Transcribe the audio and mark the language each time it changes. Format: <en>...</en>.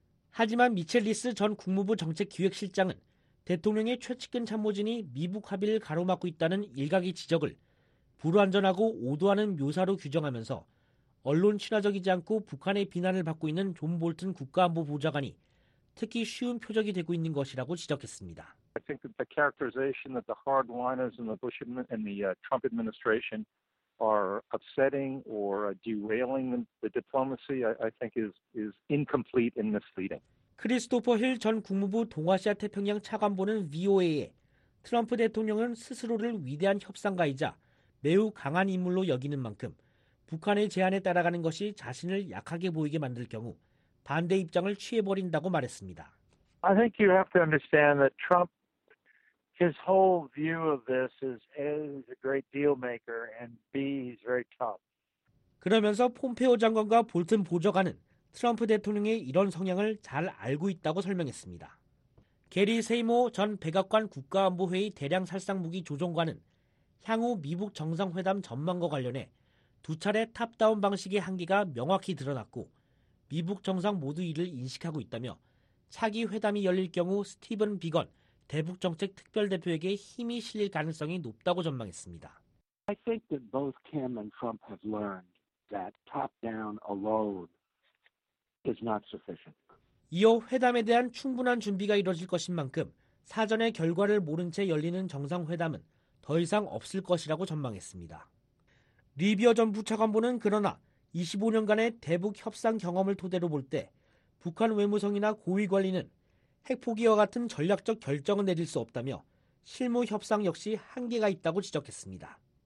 <ko>하지만 미첼 리스 전 국무부 정책기획실장은 대통령의 최측근 참모진이 미북 합의를 가로막고 있다는 일각의 지적을 불완전하고 오도하는 묘사로 규정하면서 언론 친화적이지 않고 북한의 비난을 받고 있는 존 볼튼 국가안보 보좌관이 특히 쉬운 표적이 되고 있는 것이라고 지적했습니다.</ko> <en>I think that the characterization that the hardliners in the Bush and the Trump administration are upsetting or derailing the diplomacy, I think is incomplete and misleading.</en> <ko>크리스토퍼 힐 전 국무부 동아시아 태평양 차관보는 VOA에 트럼프 대통령은 스스로를 위대한 협상가이자 매우 강한 인물로 여기는 만큼 북한의 제안에 따라가는 것이 자신을 약하게 보이게 만들 경우 반대 입장을 취해버린다고 말했습니다.</ko> <en>I think you have to understand that Trump, his whole view of this is A, he's a great deal maker, and B, he's very tough.</en> <ko>그러면서 폼페오 장관과 볼튼 보좌관은 트럼프 대통령의 이런 성향을 잘 알고 있다고 설명했습니다. 게리 세이모 전 백악관 국가안보회의 대량살상무기 조정관은 향후 미북 정상회담 전망과 관련해 두 차례 탑다운 방식의 한계가 명확히 드러났고 미북 정상 모두 이를 인식하고 있다며 차기 회담이 열릴 경우 스티븐 비건 대북정책특별대표에게 힘이 실릴 가능성이 높다고 전망했습니다.</ko> <en>I think that both Kim and Trump have learned that top-down alone is not sufficient.</en> <ko>이어 회담에 대한 충분한 준비가 이뤄질 것인 만큼 사전의 결과를 모른 채 열리는 정상회담은 더 이상 없을 것이라고 전망했습니다. 리비어 전 부차관보는 그러나 25년간의 대북 협상 경험을 토대로 볼 때 북한 외무성이나 고위 관리는 핵포기와 같은 전략적 결정을 내릴 수 없다며 실무 협상 역시 한계가 있다고 지적했습니다.</ko>